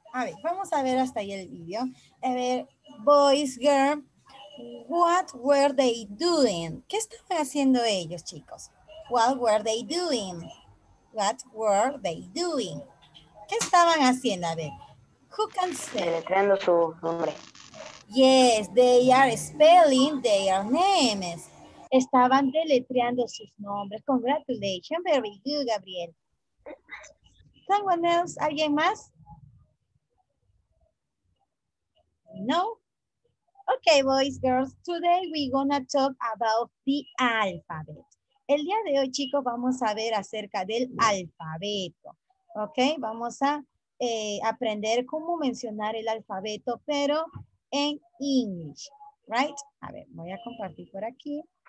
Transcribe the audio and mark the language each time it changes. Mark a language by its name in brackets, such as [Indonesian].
[Spanish] A ver, vamos a ver hasta ahí el video. A ver, [English] boys, girl, what were they doing? [Spanish] ¿Qué estaban haciendo ellos, chicos? [English] What were they doing? What were they doing? [Spanish] ¿Qué estaban haciendo? A ver, [English] who can say? [Spanish] Deletreando su nombre. [English] Yes, they are spelling their names. [Spanish] Estaban deletreando sus nombres. [English] Congratulations, very good, [Spanish] Gabriel. [English] Someone else, [Spanish] alguien más? [English] No? Okay, boys, girls, today we're gonna talk about the alphabet. [Spanish] El día de hoy, chicos, vamos a ver acerca del alfabeto. Okay, vamos a aprender cómo mencionar el alfabeto, pero en [English] English, right? [Spanish] A ver, voy a compartir por aquí.